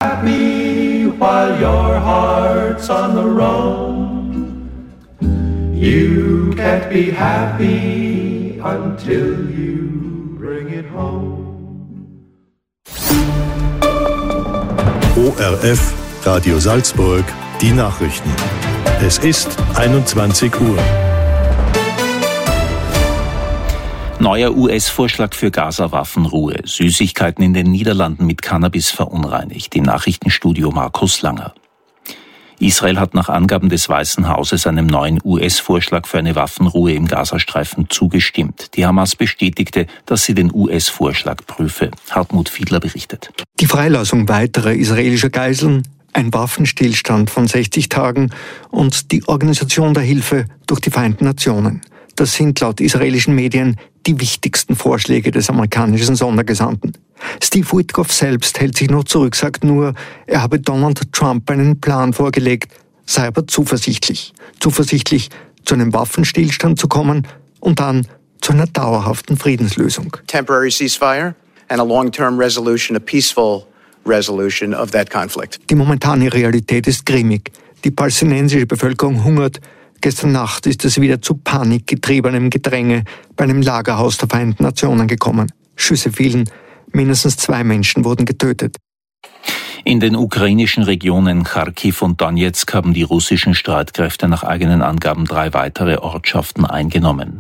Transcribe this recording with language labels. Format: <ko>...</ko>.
<en>happy while your heart's on the roam. You can't be happy until you bring it home.</en> <de>ORF Radio Salzburg, die Nachrichten. Es ist 21 Uhr. Neuer US-Vorschlag für Gaza-Waffenruhe. Süßigkeiten in den Niederlanden mit Cannabis verunreinigt. Im Nachrichtenstudio Markus Langer. Israel hat nach Angaben des Weißen Hauses einem neuen US-Vorschlag für eine Waffenruhe im Gazastreifen zugestimmt. Die Hamas bestätigte, dass sie den US-Vorschlag prüfe. Hartmut Fiedler berichtet. Die Freilassung weiterer israelischer Geiseln, ein Waffenstillstand von 60 Tagen und die Organisation der Hilfe durch die Vereinten Nationen. Das sind laut israelischen Medien die wichtigsten Vorschläge des amerikanischen Sondergesandten. Steve Witkoff selbst hält sich noch zurück, sagt nur, er habe Donald Trump einen Plan vorgelegt, sei aber zuversichtlich. Zuversichtlich, zu einem Waffenstillstand zu kommen und dann zu einer dauerhaften Friedenslösung.</de> <en>Temporary ceasefire and a long-term resolution, a peaceful resolution of that conflict.</en> <de>Die momentane Realität ist grimmig. Die palästinensische Bevölkerung hungert. Gestern Nacht ist es wieder zu panikgetriebenem Gedränge bei einem Lagerhaus der Vereinten Nationen gekommen. Schüsse fielen. Mindestens 2 Menschen wurden getötet. In den ukrainischen Regionen Kharkiv und Donetsk haben die russischen Streitkräfte nach eigenen Angaben 3 weitere Ortschaften eingenommen.</de>